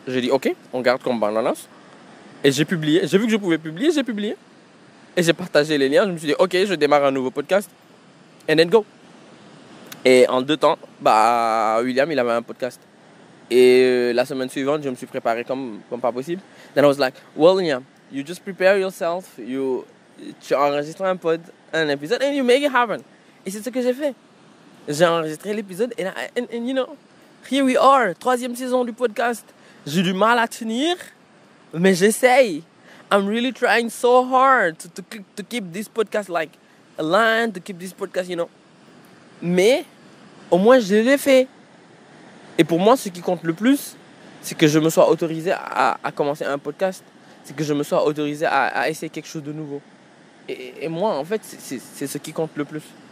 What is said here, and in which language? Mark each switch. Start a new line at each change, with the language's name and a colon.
French: J'ai dit, ok, on garde comme bande-annonce. Et j'ai publié. J'ai vu que je pouvais publier, j'ai publié. Et j'ai partagé les liens. Je me suis dit, ok, je démarre un nouveau podcast.
English: And then go.
French: Et en deux temps, William, il avait un podcast. Et la semaine suivante, je me suis préparé comme pas possible.
English: Then I was like, well, yeah, you just prepare yourself.
French: Tu enregistres un pod, un épisode,
English: and you make it happen.
French: Et c'est ce que j'ai fait. J'ai enregistré l'épisode
English: and you know, here we are,
French: troisième saison du podcast. J'ai du mal à tenir, mais j'essaye.
English: I'm really trying so hard to keep this podcast like aligned, to keep this podcast, you know.
French: Mais au moins, je l'ai fait. Et pour moi, ce qui compte le plus, c'est que je me sois autorisé à commencer un podcast. C'est que je me sois autorisé à essayer quelque chose de nouveau. Et moi, en fait, c'est ce qui compte le plus.